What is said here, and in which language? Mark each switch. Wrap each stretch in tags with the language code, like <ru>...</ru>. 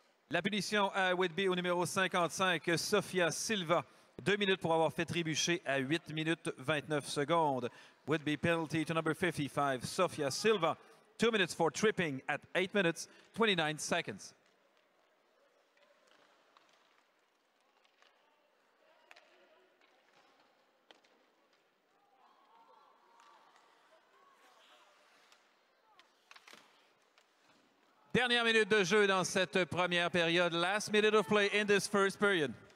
<fr>La punition à Whitby au numéro 55, Sophia Silva. 2 minutes pour avoir fait trébucher à 8 minutes 29 secondes.</fr> <en>Whitby penalty to number 55, Sophia Silva. 2 minutes for tripping at 8 minutes 29 seconds.</en> <fr>Dernière minute de jeu dans cette première période.</fr> <en>Last minute of play in this first period.</en>